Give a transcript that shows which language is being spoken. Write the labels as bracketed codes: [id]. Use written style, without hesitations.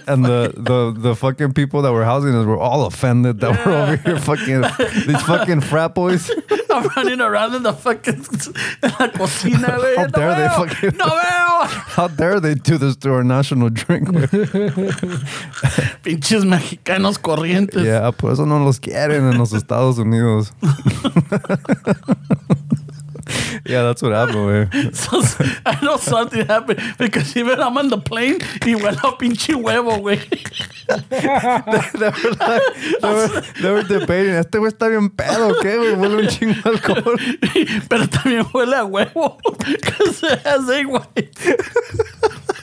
[en] And the fucking people that were housing us were all offended that we're over here fucking these fucking frat boys. I'm running around in the fucking cocina. How dare they do this to our national drink? [es] Pinches mexicanos corrientes. Yeah, por eso no los quieren en los Estados Unidos. [en] Yeah, that's what happened, man. So, I know something happened because even I'm on the plane, he went up in Chihuahua, wey. They were debating. [es] Este güey está bien pedo, ¿qué? Huele un chingo de alcohol. Pero también huele a huevo [en] because it has egg white.